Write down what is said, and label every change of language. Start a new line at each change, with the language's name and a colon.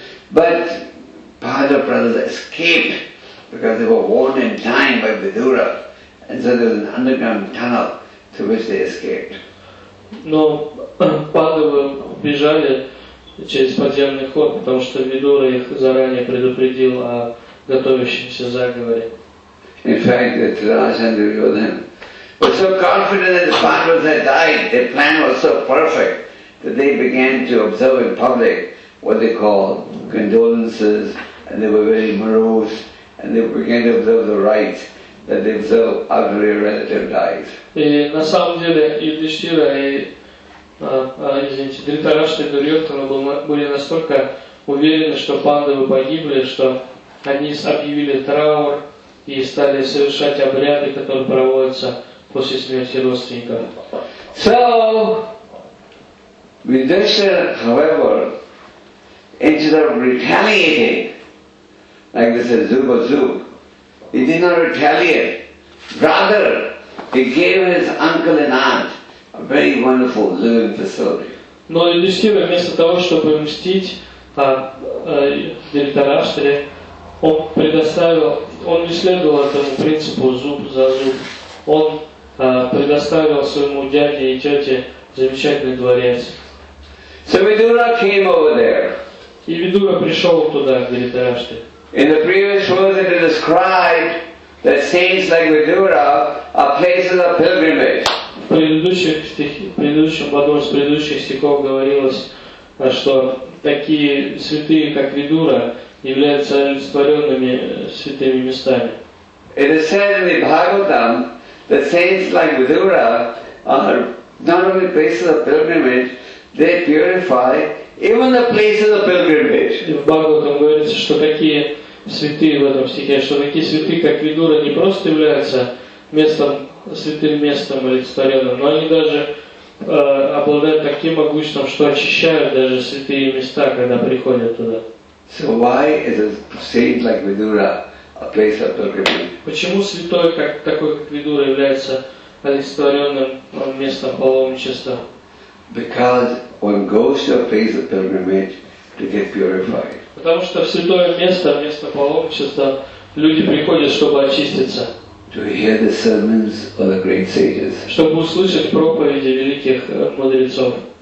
English: But Pandava brothers escaped because they were warned in time by Vidura, and so there was an underground tunnel to which they escaped.
Russian: Но Пандавы убежали через подземный ход, потому что Видура их заранее предупредил о готовящемся заговоре.
English: In fact, the Dhritarashtra and Duryodhana were so confident that the Pandavas had died, their plan was so perfect, that they began to observe in public what they called condolences, and they were very morose, and they began to observe the rites that they observe after their relative dies.
Russian: И на самом деле Юдиштира и Дхритараштра и Дурьотхана были настолько уверены, что Пандавы погибли, что они объявили траур и стали совершать обряды, которые проводятся после смерти родственника.
English: So, Yudhishthira, however, instead of retaliating, like they said,
Russian: Zuba Zub,
English: he did not retaliate. Rather, he gave his uncle and aunt a very wonderful living facility.
Russian: Но Юдиштира, вместо того, чтобы мстить Дхритараштре, он предоставил, он не следовал этому принципу зуб за зуб. Он предоставил своему дяде и тете замечательный дворец.
English: So Vidura came over there.
Russian: И Видура пришел туда, в Дхритараштре.
English: In the previous words it is described that saints like Vidura are places of pilgrimage.
Russian: В предыдущих стихах говорилось, что такие святые, как Видура, являются олицетворенными святыми местами.
English: It is said in the Bhagavatam that saints like Vidura are not only places of pilgrimage, they purify even the places of pilgrimage.
Russian: В Бхагаватам говорится, что такие святые в этом стихе, что такие святые, как Видура, не просто являются местом, святым местом олицетворенным, но они даже обладают таким могуществом, что очищают даже святые места, когда приходят туда.
English: So why is a saint like Vidura a place of pilgrimage?
Russian: Почему святой, как такой, как Видура, является олицетворенным местом паломничества?
English: Because one goes to a place of pilgrimage to get purified.
Russian: Потому что в святое место, место паломничества, люди приходят, чтобы очиститься.
English: To hear the sermons of the great sages.
Russian: Чтобы услышать проповеди великих мудрецов.